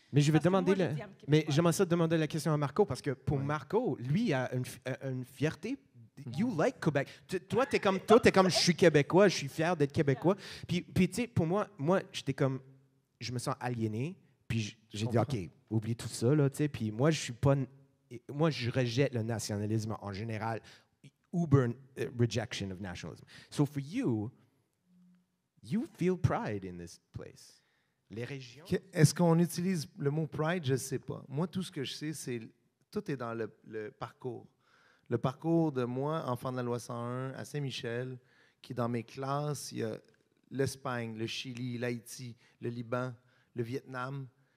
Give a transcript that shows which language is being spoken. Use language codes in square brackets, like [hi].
[fr] Mais je vais demander j'aimerais ça demander la question à Marco parce que pour Marco, lui a une fierté. [en] You like Quebec. [fr] Toi t'es comme je suis Québécois, je suis fier d'être Québécois. Yeah. Puis tu sais, pour moi j'étais comme je me sens aliéné, puis j'ai dit OK, oublie tout ça là, tu sais, puis moi je rejette le nationalisme en général. [en] Uber rejection of nationalism. So for you, you feel pride in this place. [fr] Les régions. Est-ce qu'on utilise le mot pride? Je ne sais pas. Moi, tout ce que je sais, c'est tout est dans le parcours. Le parcours de moi, enfant de la loi 101, à Saint-Michel, qui dans mes classes, il y a l'Espagne, le Chili, l'Haïti, le Liban, le Vietnam.